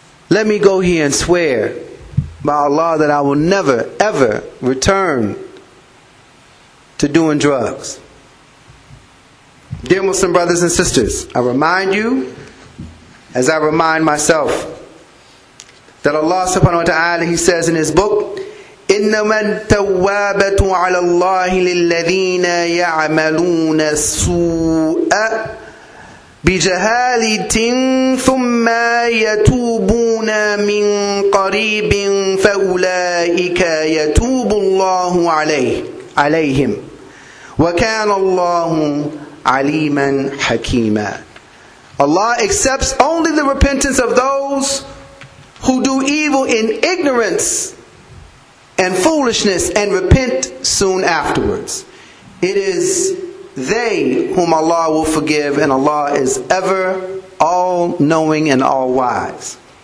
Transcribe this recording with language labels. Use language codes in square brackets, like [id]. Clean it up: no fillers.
[en] Let me go here and swear by Allah that I will never, ever return to doing drugs. Dear Muslim brothers and sisters, I remind you, as I remind myself, that Allah subhanahu wa ta'ala, he says in his book, [ar] إنما التوابة على الله للذين يعملون السوء بجهالة ثم يتوبون من قريب فأولئك يتوب الله عليهم وكان الله عليما حكيما. [en] Allah accepts only the repentance of those who do evil in ignorance and foolishness and repent soon afterwards. It is they whom Allah will forgive, and Allah is ever all-knowing and all-wise.